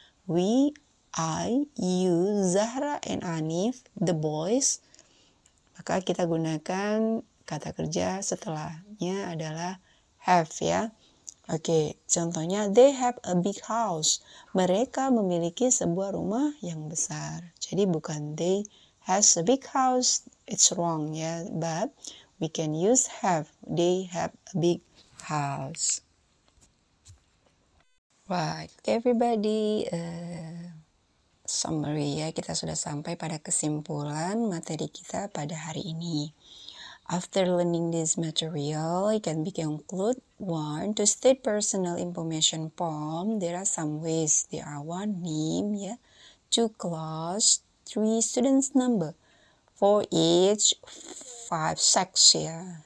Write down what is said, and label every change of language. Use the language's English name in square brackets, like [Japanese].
[English] We, I, you, Zahra and Anif, the boys. [Indonesian] Maka kita gunakan kata kerja setelahnya adalah have ya. Oke, contohnya [English] they have a big house. [Indonesian] Mereka memiliki sebuah rumah yang besar. Jadi bukan [English] they has a big house, it's wrong ya. But we can use have, they have a big house. Right, everybody, [Indonesian] summary ya, kita sudah sampai pada kesimpulan materi kita pada hari ini. [English] After learning this material, you can conclude one, to state personal information form, there are some ways. There are one, name, ya, two, class, three students number for each five sex year.